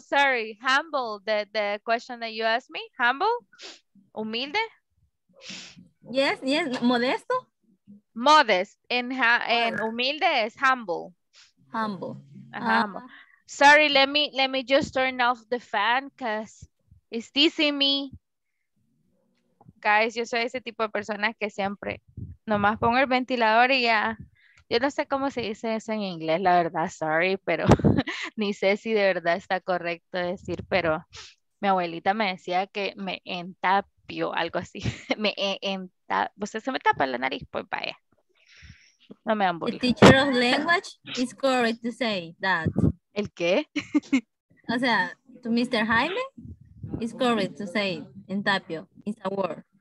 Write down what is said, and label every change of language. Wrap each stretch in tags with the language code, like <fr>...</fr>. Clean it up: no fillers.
<en>Sorry, humble. The question that you asked me, humble? Humilde? Yes, yes. Modesto? Modest. And humilde is humble. Humble. Uh-huh. Humble. Sorry, let me just turn off the fan because it's teasing me.</en> <es>Guys, yo soy ese tipo de personas que siempre nomás pongo el ventilador y ya. Yo no sé cómo se dice eso en inglés, la verdad, sorry, pero ni sé si de verdad está correcto decir, pero mi abuelita me decía que me entapio, algo así. Me entapio, o sea, se me tapa la nariz, pues vaya. No me hagan bullying.</es> <en>The teacher of language is correct to say that.</en> <es>¿El qué? O sea,</es> <en>to Mr. Jaime, it's correct to say in tapio, it's a word.</en>